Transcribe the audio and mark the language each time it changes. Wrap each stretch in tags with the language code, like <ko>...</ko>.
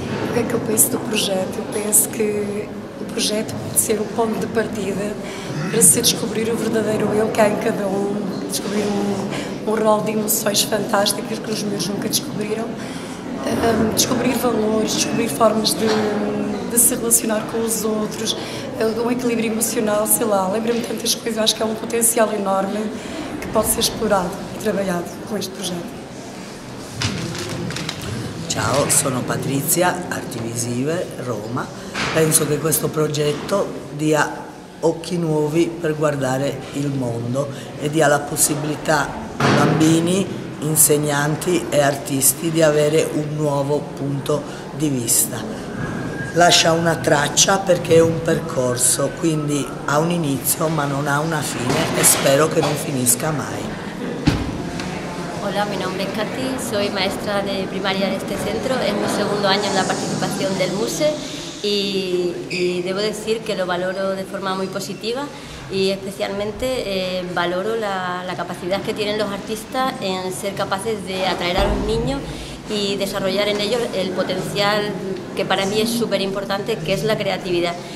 <pt>O que é que eu penso do projeto? Eu penso que o projeto pode ser o ponto de partida para se descobrir o verdadeiro eu que há em cada um, descobrir um rol de emoções fantásticas que os meus nunca descobriram, descobrir valores, descobrir formas de se relacionar com os outros, um equilíbrio emocional, sei lá, lembro-me tantas coisas, acho que é um potencial enorme que pode ser explorado e trabalhado com este projeto.</pt> <it>Ciao, sono Patrizia, Arti Visive, Roma. Penso che questo progetto dia occhi nuovi per guardare il mondo e dia la possibilità a bambini, insegnanti e artisti di avere un nuovo punto di vista. Lascia una traccia perché è un percorso, quindi ha un inizio ma non ha una fine e spero che non finisca mai.</it> <es>Hola, mi nombre es Katy, soy maestra de primaria de este centro, es mi segundo año en la participación del MUSE y debo decir que lo valoro de forma muy positiva y especialmente valoro la capacidad que tienen los artistas en ser capaces de atraer a los niños y desarrollar en ellos el potencial que para mí es súper importante, que es la creatividad.</es>